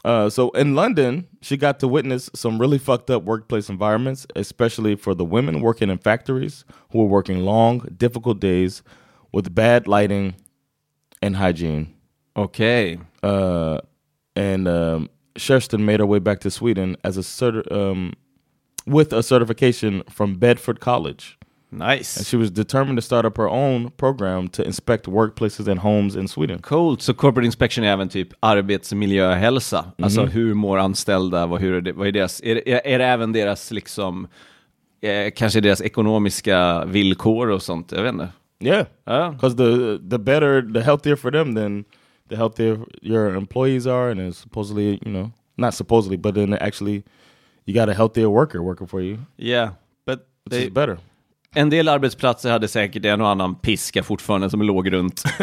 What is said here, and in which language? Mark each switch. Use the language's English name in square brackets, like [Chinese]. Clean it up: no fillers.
[English] So in London, she got to witness some really fucked up workplace environments, especially for the women working in factories who were working long, difficult days with bad lighting and hygiene. Okay. Kerstin made her way back to Sweden as a with a certification from Bedford College. Nice. And she was determined to start up her own program to inspect workplaces and homes in Sweden. Cool. So corporate inspection [Swedish] är även typ arbetsmiljö och hälsa. Mm-hmm. Alltså hur mår anställda, vad är det även deras liksom kanske deras ekonomiska villkor och sånt, jag vet inte. [English] Yeah. Cuz the better, the healthier for them, then the healthier your employees are, and it's supposedly, you know, not supposedly, but then actually you got a healthier worker working for you. Yeah, but which is better. [Swedish] En del arbetsplatser hade säkert en och annan piska fortfarande som låg runt.